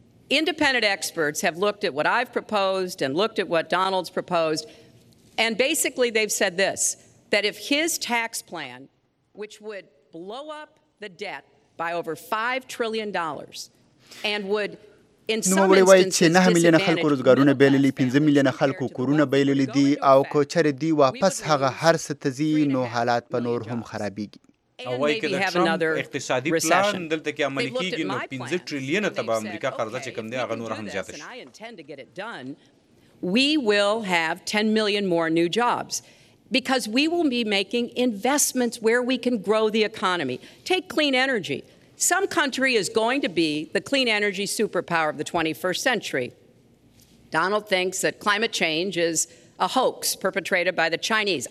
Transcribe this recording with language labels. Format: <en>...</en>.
<en>Independent experts have looked at what I've proposed and looked at what Donald's proposed, and basically they've said this, that if his tax plan, which would blow up the debt by over $5 trillion and would</en> <ps>نوموړی وایي چې 9 میلیون خلکو روزګارونه بیللي 15 میلیون خلکو کورونه بیللي دي او که چیرې دوی واپس هغه هر څه ته ځي نو حالات به نور هم خرابیږي او وایي که د ټرمپ اقتصادي پلان دلته کې عملي کیږي نو 15 تریلیونه ته به امریکا قرضه چې کوم دی هغه نور هم زیاته شي</ps> <en>Because we will be making investments where we can grow the economy. Take clean energy. Some country is going to be the clean energy superpower of the 21st century. Donald thinks that climate change is a hoax perpetrated by the Chinese.</en>